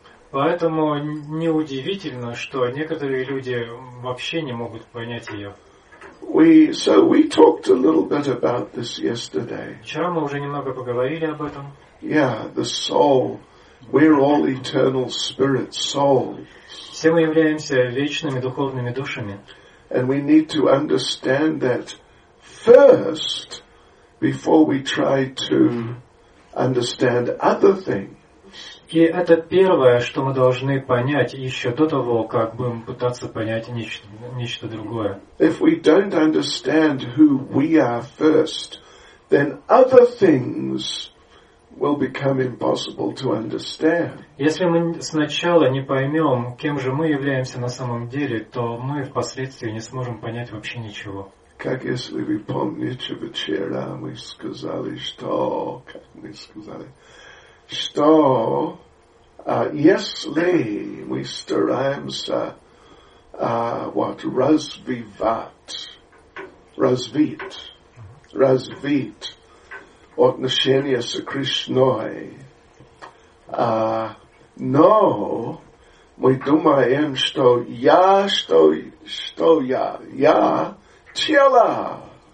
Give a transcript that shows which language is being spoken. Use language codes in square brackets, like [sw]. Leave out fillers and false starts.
[ru] Поэтому неудивительно, что некоторые люди вообще не могут понять ее. [en] We talked a little bit about this yesterday. [ru] Вчера мы уже немного поговорили об этом. [en] Yeah, the soul. We're all eternal spirit souls. [ru] Все мы являемся вечными духовными душами. [en] And we need to understand that first before we try to understand other things. [ru] И это первое, что мы должны понять еще до того, как будем пытаться понять нечто другое. [en] If we don't understand who we are first, then other things will become impossible to understand. [ru] Если мы сначала не поймем, кем же мы являемся на самом деле, то мы впоследствии не сможем понять вообще ничего. Как если вы помните, вчера мы сказали, что... Как мы сказали... Что, если мы стараемся, развить отношения с Кришной, но мы думаем, что я тело.